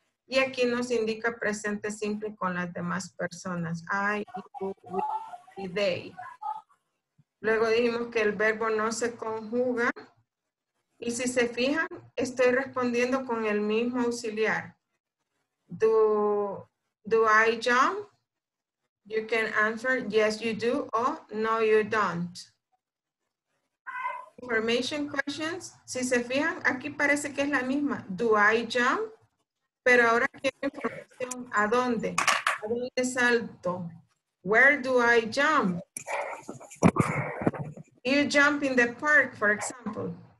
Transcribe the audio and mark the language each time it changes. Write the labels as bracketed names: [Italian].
[Spanish] Y aquí nos indica presente simple con las demás personas. [English] I, you, we, [Spanish] y they. Luego dijimos que el verbo no se conjuga. Y si se fijan, estoy respondiendo con el mismo auxiliar. [English] Do I jump? You can answer yes, you do, o no, you don't. Information questions. [Spanish] Si se fijan, aquí parece que es la misma. [English] Do I jump? [Spanish] Pero ahora quiero información, ¿a dónde? ¿A dónde salto? [English] Where do I jump? You jump in the park, for example.